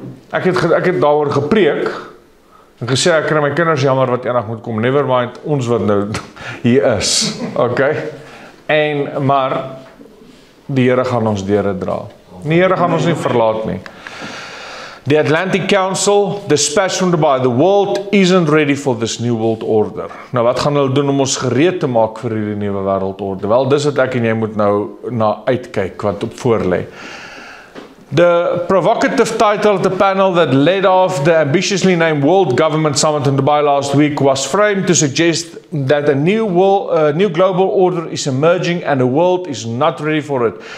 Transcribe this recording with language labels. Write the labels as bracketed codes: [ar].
[af] Ek het daaroor gepreek en gesê ek kan my kinders jammer wat enig moet kom. [en] Never mind [af] ons wat nou hier is. Okay? En maar die Here gaan ons deur dra. Die Here gaan ons nie verlaat nie. [en] The Atlantic Council dispatched from Dubai. The world isn't ready for this new world order. [af] Nou wat gaan hulle doen om ons gereed te maak vir hierdie nuwe wêreldorde? Wel, dis wat ek en jy moet nou na uitkyk wat op voorlê. [en] The provocative title of the panel that led off the ambitiously named World Government Summit in Dubai last week was framed to suggest that a new global order is emerging and the world is not ready for it.